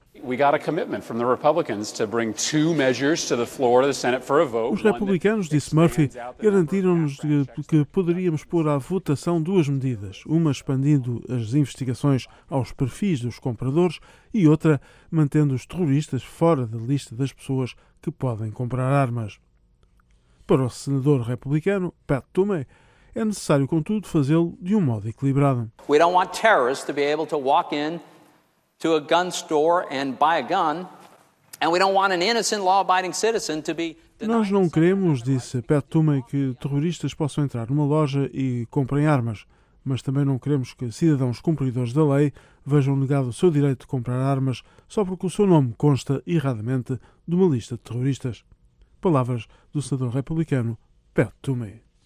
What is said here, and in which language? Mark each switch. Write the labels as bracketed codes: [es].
[pt] Os republicanos, disse Murphy, garantiram-nos que poderíamos pôr à votação 2 medidas, uma expandindo as investigações aos perfis dos compradores e outra mantendo os terroristas fora da lista das pessoas que podem comprar armas. Para o senador republicano, Pat Toomey, é necessário, contudo, fazê-lo de um modo equilibrado. [en] We don't want terrorists to be able to walk in to a gun store and buy a gun, and we don't want an innocent law-abiding citizen to be denied. [pt] Nós não queremos, disse Pat Toomey, que terroristas possam entrar numa loja e comprem armas, mas também não queremos que cidadãos cumpridores da lei vejam negado o seu direito de comprar armas só porque o seu nome consta erradamente de uma lista de terroristas. Palavras do senador republicano Pat Toomey.